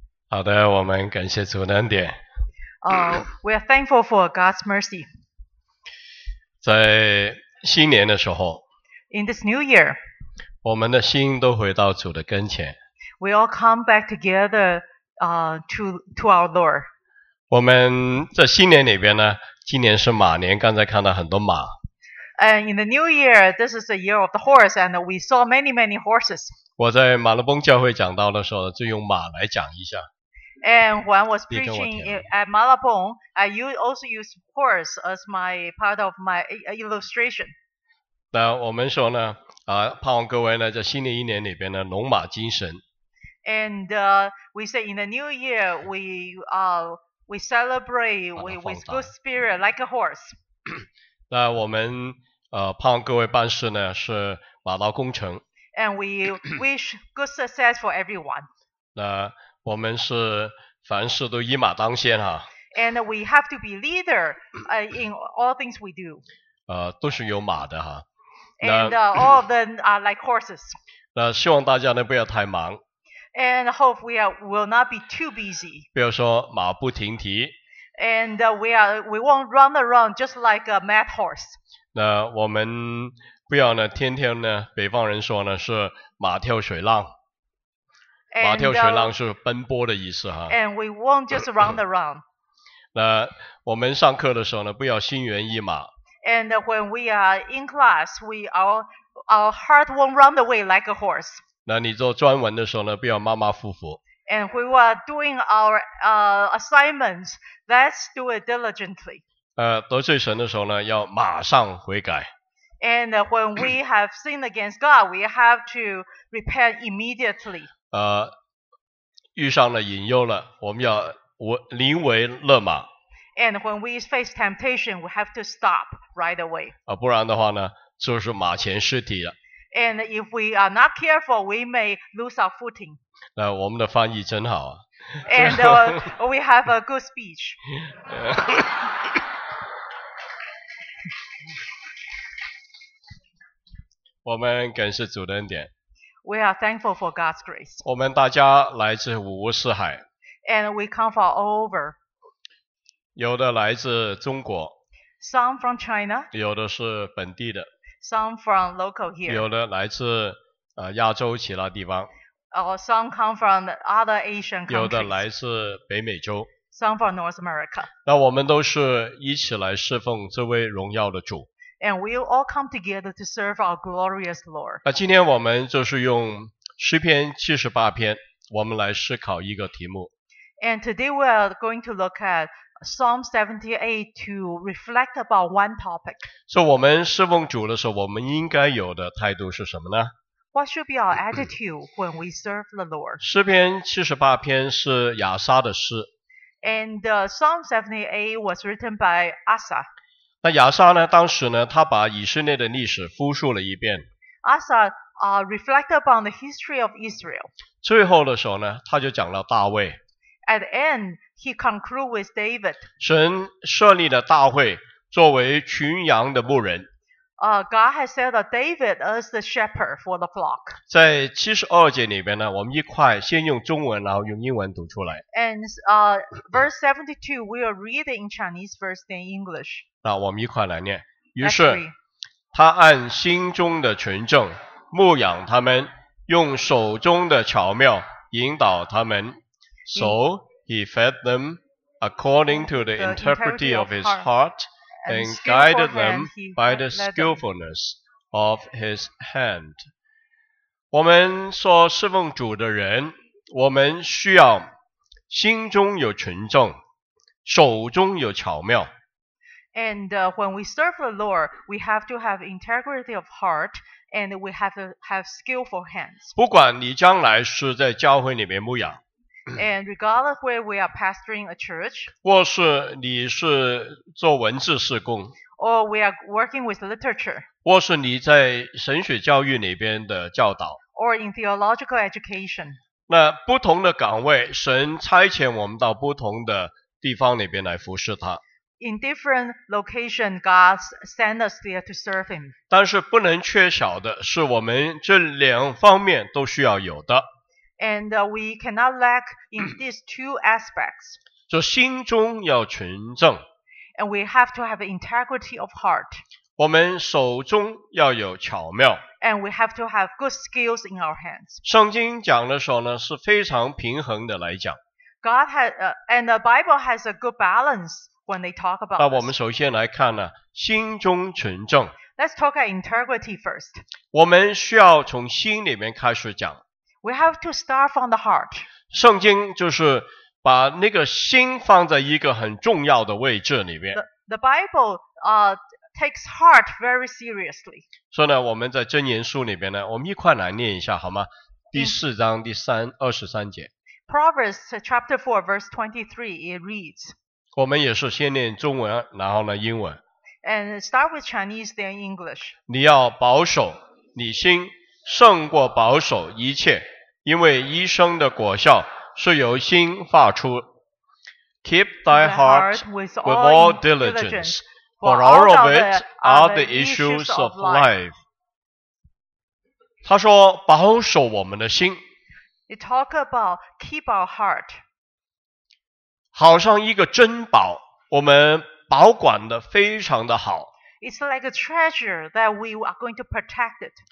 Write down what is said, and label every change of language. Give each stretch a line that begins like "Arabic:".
Chinese: 好的，我们感谢主的恩典。
English: We are thankful for God's mercy.
Chinese: 在新年的时候
English: ，In this new year，
Chinese: 我们的心都回到主的跟前。
English: We all come back together, to our Lord.
Chinese: 我们在新年里边呢，今年是马年，刚才看到很多马。
English: And in the new year, this is the year of the horse, and we saw many, many horses.
Chinese: 我在马勒崩教会讲道的时候，就用马来讲一下。
English: And when I was preaching at Malabong, I also used horse as my part of my illustration.
Chinese: 那我们说呢，盼望各位呢，在新的一年里边呢，龙马精神。
English: And we say in the new year we celebrate with good spirit like a horse.
Chinese: 那我们盼望各位办事呢是马到功成。
English: And we wish good success for everyone.
Chinese: 那我们是凡事都一马当先哈。
English: And we have to be leader in all things we do.
Chinese: 都是有马的哈。
English: And all of them are like horses.
Chinese: 那希望大家呢不要太忙。
English: And hope we will not be too busy.
Chinese: 比如说马不停蹄。
English: And we won't run around just like a mad horse.
Chinese: 那我们不要呢天天呢北方人说呢是马跳水浪。马跳水浪是奔波的意思哈。
English: And we won't just run around.
Chinese: 那我们上课的时候呢，不要心猿意马。
English: And when we are in class, our heart won't run away like a horse.
Chinese: 那你做专文的时候呢，不要马马虎虎。
English: And we are doing our assignments, let's do it diligently.
Chinese: 得罪神的时候呢，要马上悔改。
English: And when we have sinned against God, we have to repent immediately.
Chinese: 遇上了引诱了，我们要临危勒马。
English: And when we face temptation, we have to stop right away.
Chinese: 不然的话呢，就是马前失蹄了。
English: And if we are not careful, we may lose our footing.
Chinese: 我们的翻译真好啊。
English: And we have a good speech.
Chinese: 我们感谢主的恩典。
English: We are thankful for God's grace.
Chinese: 我们大家来自五湖四海。
English: And we come from all over.
Chinese: 有的来自中国。
English: Some from China.
Chinese: 有的是本地的。
English: Some from local here.
Chinese: 有的来自亚洲其他地方。
English: Or some come from other Asian countries.
Chinese: 有的来自北美洲。
English: Some from North America.
Chinese: 那我们都是一起来侍奉这位荣耀的主。
English: And we all come together to serve our glorious Lord.
Chinese: 那今天我们就是用诗篇七十八篇，我们来思考一个题目。
English: And today we are going to look at Psalm 78 to reflect about one topic.
Chinese: So 我们侍奉主的时候，我们应该有的态度是什么呢？
English: What should be our attitude when we serve the Lord?
Chinese: 诗篇七十八篇是亚撒的诗。
English: And Psalm 78 was written by Asa.
Chinese: 那亚撒呢？当时呢，他把以色列的历史复述了一遍。
English: Asa reflect upon the history of Israel.
Chinese: 最后的时候呢，他就讲到大卫。
English: At the end, he concludes with David.
Chinese: 神设立了大卫作为群羊的牧人。
English: God has set David as the shepherd for the flock.
Chinese: 在七十二节里边呢，我们一块先用中文，然后用英文读出来。
English: And verse 72, we will read it in Chinese first, then English.
Chinese: 那我们一块来念。于是，他按心中的纯正牧养他们，用手中的巧妙引导他们。
English: So he fed them according to the integrity of his heart and guided them by the skillfulness of his hand.
Chinese: 我们说侍奉主的人，我们需要心中有纯正，手中有巧妙。
English: And when we serve the Lord, we have to have integrity of heart and we have to have skillful hands.
Chinese: 不管你将来是在教会里面牧养。
English: And regardless where we are pastoring a church,
Chinese: 或是你是做文字事工，
English: or we are working with literature,
Chinese: 或是你在神学教育里边的教导，
English: or in theological education,
Chinese: 那不同的岗位，神差遣我们到不同的地方里边来服侍他。
English: In different location, God sent us there to serve Him.
Chinese: 但是不能缺少的是我们这两方面都需要有的。
English: And we cannot lack in these two aspects.
Chinese: 就心中要纯正。
English: And we have to have integrity of heart.
Chinese: 我们手中要有巧妙。
English: And we have to have good skills in our hands.
Chinese: 圣经讲的时候呢，是非常平衡的来讲。
English: God has, and the Bible has a good balance when they talk about.
Chinese: 那我们首先来看呢，心中纯正。
English: Let's talk about integrity first.
Chinese: 我们需要从心里面开始讲。
English: We have to start from the heart.
Chinese: 圣经就是把那个心放在一个很重要的位置里面。
English: The Bible, takes heart very seriously.
Chinese: 所以呢，我们在箴言书里边呢，我们一块来念一下好吗？第四章第三二十三节。
English: Proverbs chapter 4 verse 23 it reads.
Chinese: 我们也是先念中文，然后呢英文。
English: And start with Chinese then English.
Chinese: 你要保守你心，胜过保守一切，因为一生的果效是由心发出。
English: Keep thy heart with all diligence, for out of it are the issues of life.
Chinese: 他说保守我们的心。
English: It talk about keep our heart.
Chinese: 好像一个珍宝，我们保管的非常的好。
English: It's like a treasure that we are going to protect it.